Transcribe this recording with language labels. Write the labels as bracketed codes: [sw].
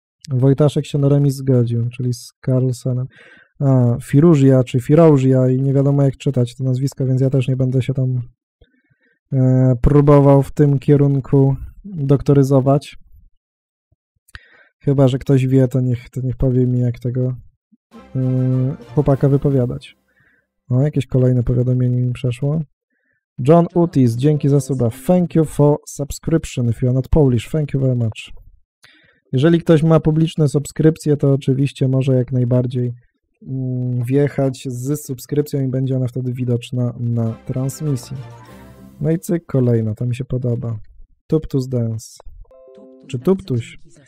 [pl] Wojtaszek się na remis zgodził, czyli z Carlsenem. A Firuzja czy Firouzja i nie wiadomo jak czytać to nazwisko, więc ja też nie będę się tam próbował w tym kierunku doktoryzować. Chyba, że ktoś wie, to niech powie mi, jak tego chłopaka wypowiadać. O, jakieś kolejne powiadomienie mi przeszło. John Utis, dzięki za suba. [en] Thank you for subscription, if you are not Polish. Thank you very much. [pl] Jeżeli ktoś ma publiczne subskrypcje, to oczywiście może jak najbardziej wjechać z subskrypcją i będzie ona wtedy widoczna na transmisji. No i cyk, kolejna, to mi się podoba. Tuptus Dance. Czy Tuptuś?